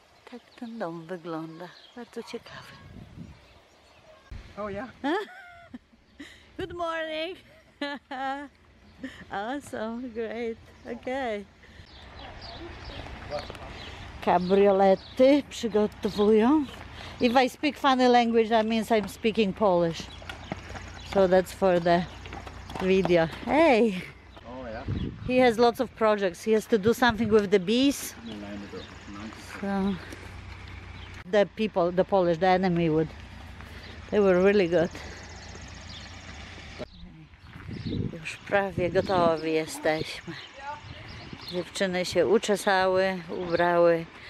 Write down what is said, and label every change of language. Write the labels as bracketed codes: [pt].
[pl] Tak ten dom wygląda. Bardzo ciekawy. [en] Oh yeah. Good morning. Awesome, great, okay. [pl] Kabriolety przygotowują. [en] If I speak funny language, that means I'm speaking Polish. So that's for the video. Hey! Oh yeah. He has lots of projects. He has to do something with the bees. So the people, the Polish, the enemy would. They were really good. [pl] Już prawie gotowi jesteśmy. Dziewczyny się uczesały, ubrały.